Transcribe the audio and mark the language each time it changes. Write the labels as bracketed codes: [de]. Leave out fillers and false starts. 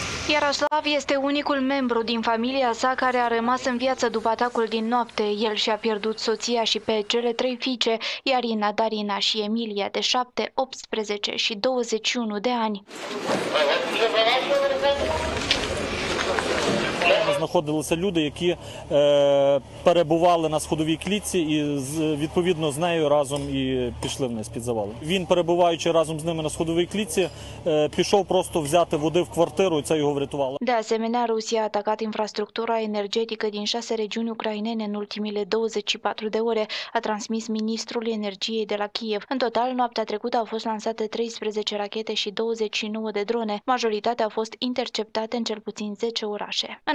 [ro] Iaroslav este unicul membru din familia sa care a rămas în viață după atacul din noapte. El și-a pierdut soția și pe cele 3 fiice, Iarina, Darina și Emilia, de 7, 18 și 21 de ani. [uk] Знаходилися люди, які перебували на сходовій клітці і відповідно з нею разом і пішли вниз під завали. Він, перебуваючи разом з ними на сходовій клітці, пішов просто взяти води в квартиру, і це його врятувало. [ro] De asemenea, Rusia a atacat infrastructura energetică din 6 regiuni ucrainene în ultimele 24 de ore, a transmis ministrul energiei de la Kiev. În total, noaptea trecută au fost lansate 13 rachete și 29 de drone. Majoritatea au fost interceptate în cel puțin 10 orașe.